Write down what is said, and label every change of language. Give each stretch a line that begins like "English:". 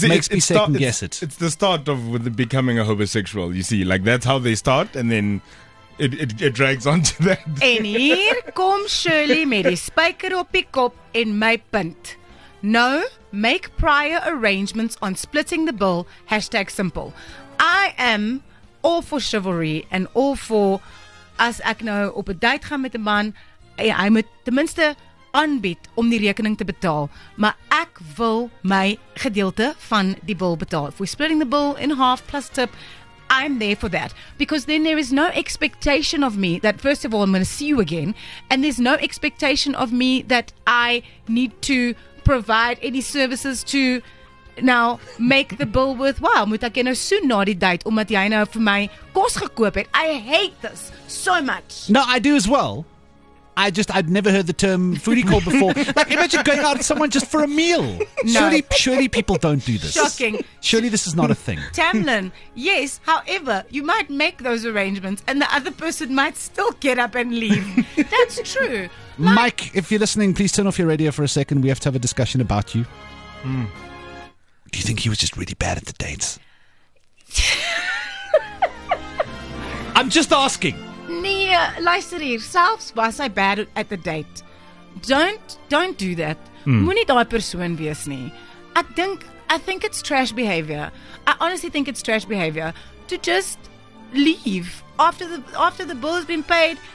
English: It's the start of becoming a homosexual, you see. Like, that's how they start, and then... It drags on to that.
Afrikaans: En hier kom Shirley met die spyker op die kop en my punt.
English: No, make prior arrangements on splitting the bill. Hashtag simple.
Afrikaans: I am all for chivalry and all for, as ek nou op 'n date gaan met 'n man, hy moet ten minste aanbied om die rekening te betaal. Maar ek wil my gedeelte van die bill betaal.
English: If we're splitting the bill in half plus tip, I'm there for that, because then there is no expectation of me that, first of all, I'm going to see you again, and there's no expectation of me that I need to provide any services to now make the bill worthwhile.
Afrikaans: Moet ek nou so na die date omdat jy nou vir my kos gekoop het?
English: I hate this so much. No, I do as well. I'd never heard the term foodie call before. Like, imagine going out with someone just for a meal. No. Surely people don't do this. Shocking. Surely this is not a thing. Tamlin, yes. However, you might make those arrangements and the other person might still get up and leave. That's true. Like, Mike, if you're listening, please turn off your radio for a second. We have to have a discussion about you. Mm. Do you think he was just really bad at the dates? I'm just asking.
Afrikaans: Nee, luister hier, selfs was hy bad at the date.
English: Don't do that.
Afrikaans: Moenie daai persoon wees nie.
English: I think it's trash behavior. I honestly think it's trash behavior to just leave after the bill has been paid.